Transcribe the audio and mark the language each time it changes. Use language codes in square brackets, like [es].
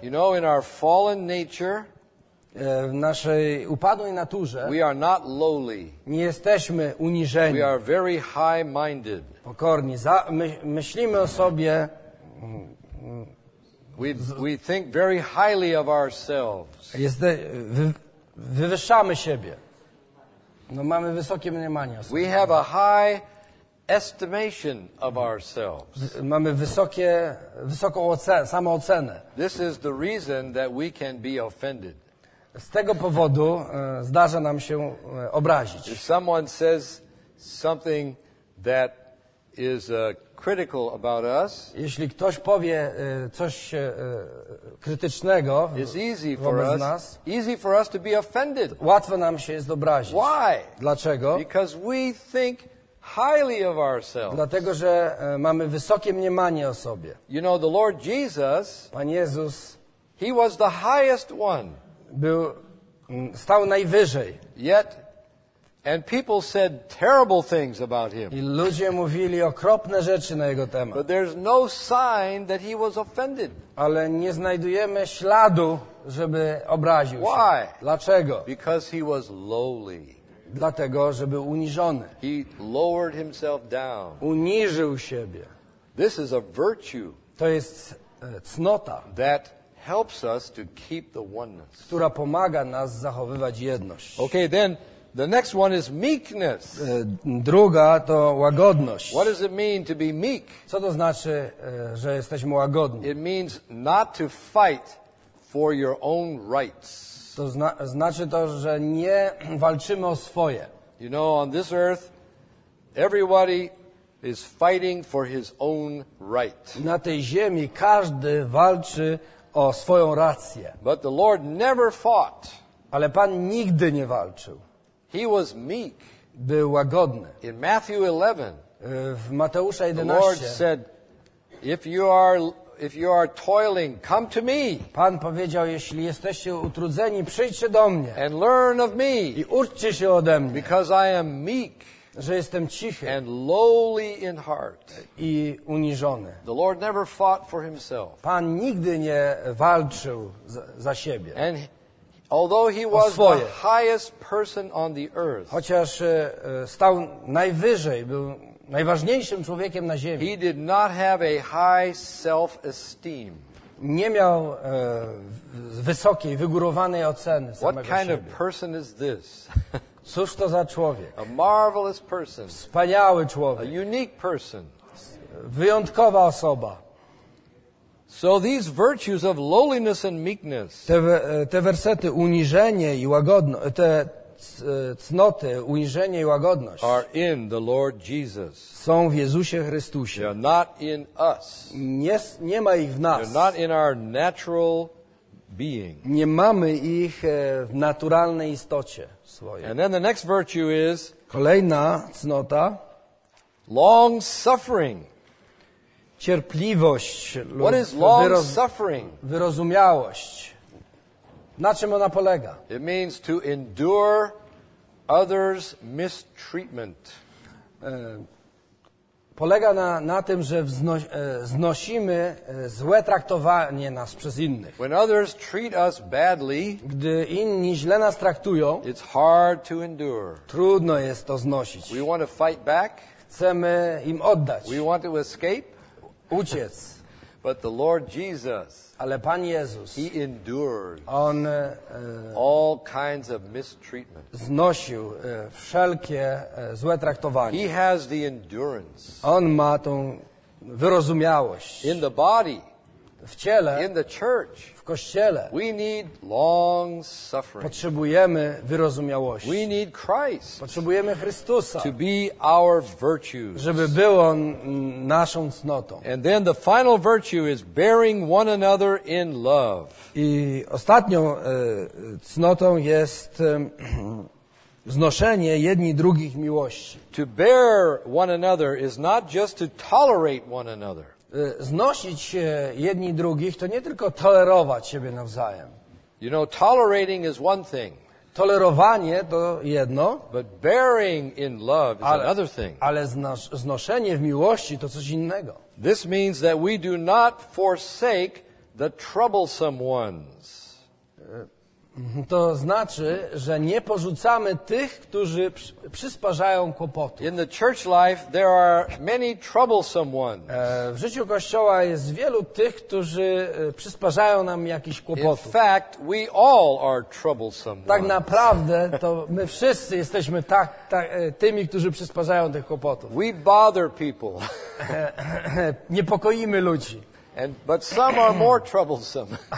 [en] You know, in our fallen nature, [pl] w naszej upadłej naturze, [en] we are not lowly. [pl] Nie jesteśmy uniżeni. [en] We are very high-minded. [pl] Pokorni. Myślimy o sobie. [en] We think very highly of ourselves. [pl] Wywyższamy siebie. No mamy wysokie mniemanie o sobie. [en] We have a high estimation of ourselves. [pl] Mamy wysoką samoocenę. [en] This is the reason that we can be offended. [pl] Z tego powodu zdarza nam się obrazić. [en] If someone says something that is critical about us. [pl] Jeśli ktoś powie coś krytycznego wobec nas, [en] easy for us to be offended. [pl] Łatwo nam się jest obrazić. [en] Why? [pl] Dlaczego? [en] Because we think highly of ourselves. [pl] Dlatego, że mamy wysokie mniemanie o sobie. [en] You know, the Lord Jesus, [pl] Pan Jezus, [en] he was the highest one. [pl] Był stał najwyżej. [en] Yet and people said terrible things about him. [pl] I ludzie mówili okropne rzeczy na jego temat. [en] But there's no sign that he was offended. [pl] Ale nie znajdujemy śladu, żeby obraził się. [en] Why? [pl] Dlaczego? [en] Because he was lowly. [pl] Dlatego, że był uniżony. [en] He lowered himself down. [pl] Uniżył siebie. [en] This is a virtue. [pl] To jest cnota. [en] That helps us to keep the oneness. [pl] Która pomaga nas zachowywać jedność. [en] Okay, then. The next one is meekness. [pl] Druga to łagodność. [en] What does it mean to be meek? [pl] Co to znaczy, że jesteśmy łagodni? [en] It means not to fight for your own rights. [pl] To znaczy to, że nie walczymy o swoje. [en] You know, on this earth, everybody is fighting for his own right. [pl] Na tej ziemi każdy walczy o swoją rację. [en] But the Lord never fought. [pl] Ale Pan nigdy nie walczył. [en] He was meek. [pl] Był łagodny. [en] In Matthew 11, [pl] w Mateusza 11, [en] the Lord said, if you are toiling, come to me. [pl] Pan powiedział, jeśli jesteście utrudzeni, przyjdźcie do mnie. [en] And learn of me. [pl] I uczcie się ode mnie. [en] Because I am meek. [pl] Że jestem cichy. [en] And lowly in heart. [pl] I uniżony. [en] The Lord never fought for himself. [pl] Pan nigdy nie walczył za siebie. [en] And although he was the highest person on the earth, [pl] chociaż stał najwyżej, był najważniejszym człowiekiem na ziemi, [en] he did not have a high self-esteem. [pl] Nie miał wysokiej, wygórowanej oceny samego siebie. [en] What kind [pl] siebie. [en] Of person is this? [pl] Cóż to za człowiek? [en] A marvelous person. [pl] Wspaniały człowiek. [en] A unique person. [pl] Wyjątkowa osoba. [en] So these virtues of lowliness and meekness. [pl] Te wersety uniżenie i łagodność, te cnoty, uniżenie i łagodność [en] are in the Lord Jesus. [pl] Są w Jezusie Chrystusie. [en] They're not in us. [pl] Nie ma ich w nas. [en] They're not in our natural being. [pl] Nie mamy ich w naturalnej istocie swojej. [en] And then the next virtue is [pl] kolejna cnota [en] long suffering. [pl] Cierpliwość. [en] What is long suffering? [pl] Wyrozumiałość. Na czym ona polega? [en] It means to endure others' mistreatment. [pl] Polega na tym, że znosimy złe traktowanie nas przez innych. [en] When others treat us badly, [pl] gdy inni źle nas traktują, [en] it's hard to endure. [pl] Trudno jest to znosić. [en] We want to fight back. [pl] Chcemy im oddać. [en] We want to escape. [pl] Uciec. [en] But the Lord Jesus, [pl] ale Pan Jezus, [en] he endured [pl] on, [en] all kinds of mistreatment. [pl] Znosił wszelkie złe traktowanie. [en] He has the endurance. [pl] On ma tą wyrozumiałość. [en] In the body, [pl] w ciele, [en] in the church, [pl] w kościele, [en] we need long suffering. [pl] Potrzebujemy wyrozumiałości. [en] We need Christ. [pl] Potrzebujemy Chrystusa. [en] To be our virtues. [pl] Żeby był on naszą cnotą. [en] And then the final virtue is bearing one another in love. [pl] I ostatnią cnotą jest znoszenie jedni drugich miłości. [en] To bear one another is not just to tolerate one another. [pl] Znosić jedni drugich to nie tylko tolerować siebie nawzajem. [en] You know, tolerating is one thing. [pl] Tolerowanie to jedno, [en] but bearing in love is another thing. [pl] Ale znoszenie w miłości to coś innego. [en] This means that we do not forsake the troublesome ones. [pl] To znaczy, że nie porzucamy tych, którzy przysparzają kłopotu. [en] In the church life there are many troublesome ones. [pl] W życiu kościoła jest wielu tych, którzy przysparzają nam jakiś kłopot. [en] In fact, we all are troublesome ones. [pl] Tak naprawdę to my wszyscy jesteśmy tymi, którzy przysparzają tych kłopotów. [en] We bother people. [pl] Niepokoimy ludzi. [en] But some are more troublesome.